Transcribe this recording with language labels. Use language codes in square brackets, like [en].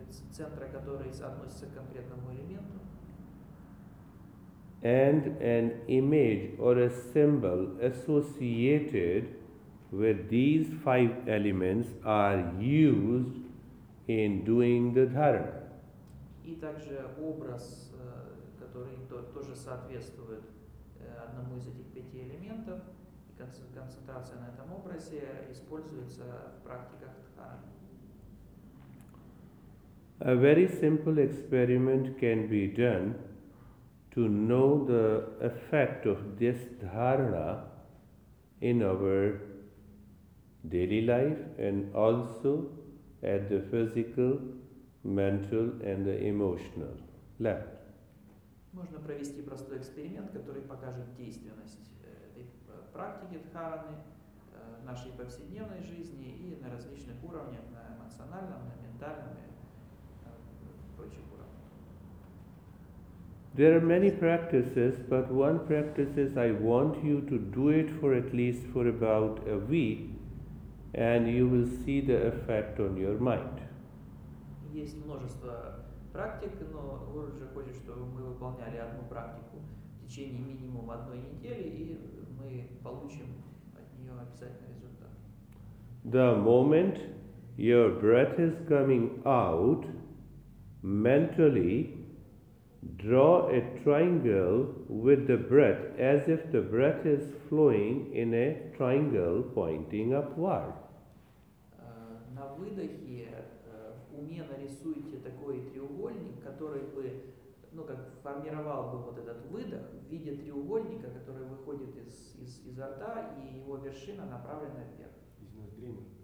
[ru] центра, который относится к конкретному элементу, [en] and an image or a symbol associated with these five elements are used in doing the dharana. [ru] И также образ, который тоже соответствует одному из этих пяти элементов. Концентрация на этом образе используется в практиках дхараны. [en] A very simple experiment can be done to know the effect of this dharana in our daily life and also at the physical, mental and the emotional level. [ru] Можно провести простой эксперимент, который покажет действенность практики дхараны в нашей повседневной жизни и на различных уровнях, на эмоциональном, на ментальном и прочих уровнях. [en] There are many practices, but one practice is I want you to do it for at least for about a week, and you will see the effect on your mind. [ru] Есть множество практик, но Гуруджи хочет, чтобы мы выполняли одну практику в течение минимум одной недели, и мы получим от нее обязательно результат. [en] The moment your breath is coming out, mentally draw a triangle with the breath as if the breath is flowing in a triangle pointing upward. [ru] На выдохе в уме нарисуйте такой треугольник, который бы, ну, как формировал бы вот этот выдох в виде треугольника, который выходит изо рта, и его вершина направлена вверх. Из ноздрей.